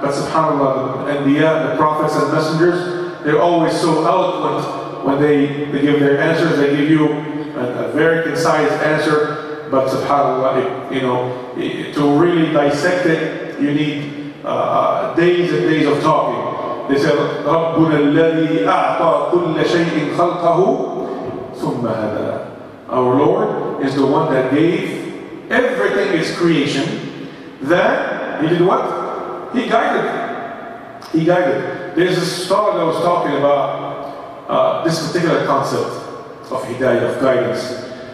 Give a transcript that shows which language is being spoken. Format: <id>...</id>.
<en>But subhanAllah, the Anbiya, the prophets and messengers, they're always so eloquent when they give their answers. They give you a very concise answer, but subhanAllah, to really dissect it, you need days and days of talking. They say,</en> <ar>رَبُّنَا الَّذِي أَعْطَى كُلَّ شَيْءٍ خَلْقَهُ ثُمَّ هَدَى.</ar> <en>Our Lord is the one that gave everything His creation. Then He did what? He guided. He guided. There's a story that was talking about this particular concept of hidayah, of guidance.</en>